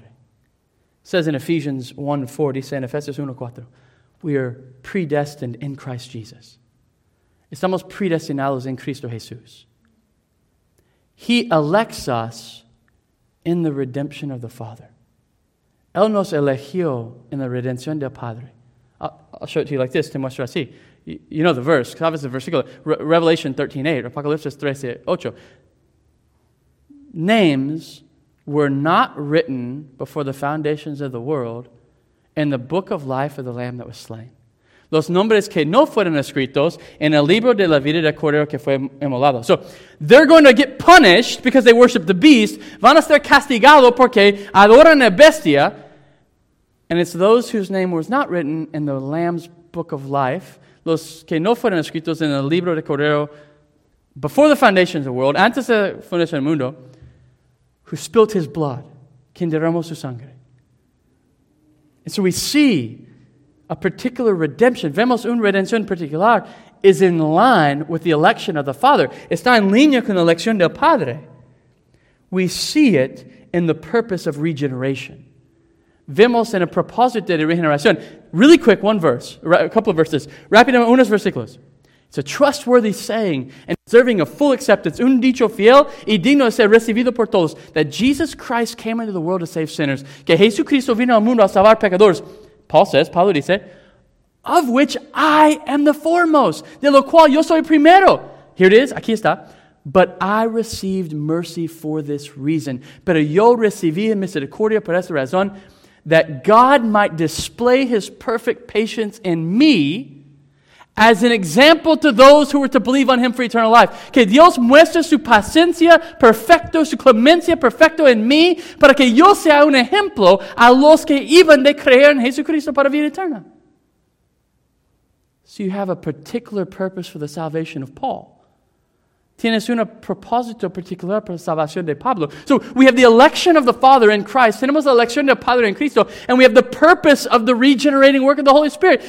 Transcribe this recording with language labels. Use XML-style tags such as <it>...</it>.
<en>It says in Ephesians 1:4,</en> <es>dice en Efesios 1:4, we are predestined in Christ Jesus. Estamos predestinados en Cristo Jesús.</es> <en>He elects us in the redemption of the Father.</en> <es>Él nos eligió en la redención del Padre.</es> <en>I'll show it to you like this,</en> <es>te muestro así.</es> <en>You know the verse, because obviously the versículo, Revelation 13:8, Apocalipsis 13:8. Names were not written before the foundations of the world in the book of life of the Lamb that was slain.</en> <es>Los nombres que no fueron escritos en el libro de la vida del Cordero que fue inmolado.</es> <en>So, they're going to get punished because they worship the beast.</en> <es>Van a ser castigados porque adoran a bestia.</es> <en>And it's those whose name was not written in the Lamb's book of life.</en> <es>Los que no fueron escritos en el libro del Cordero</es> <en>before the foundations of the world,</en> <es>antes de fundación del mundo,</es> <en>who spilt his blood,</en> <es>quien derramó su sangre.</es> <en>And so we see a particular redemption.</en> <es>Vemos una redención particular</es> <en>is in line with the election of the Father.</en> <es>Está en línea con la elección del Padre.</es> <en>We see it in the purpose of regeneration.</en> <es>Vemos en el propósito de regeneración.</es> <en>Really quick, one verse, a couple of verses.</en> <es>Rápido, unos versículos.</es> <en>It's a trustworthy saying and deserving of full acceptance.</en> <es>Un dicho fiel y digno de ser recibido por todos.</es> <en>That Jesus Christ came into the world to save sinners.</en> <es>Que Jesucristo vino al mundo a salvar pecadores. Pablo dice,</es> <en>of which I am the foremost,</en> <es>de lo cual yo soy primero.</es> <en>Here it is,</en> <es>aquí está.</es> <en>But I received mercy for this reason.</en> <es>Pero yo recibí misericordia por esta razón,</es> <en>that God might display his perfect patience in me as an example to those who were to believe on him for eternal life.</en> <es>Que Dios muestre su paciencia perfecto, su clemencia perfecto en mí, para que yo sea un ejemplo a los que iban de creer en Jesucristo para vida eterna.</es> <en>So you have a particular purpose for the salvation of Paul.</en> <es>Tienes un propósito particular para la salvación de Pablo.</es> <en>So we have the election of the Father in Christ.</en> <es>Tenemos la elección del Padre en Cristo.</es> <en>And we have the purpose of the regenerating work of the Holy Spirit.</en>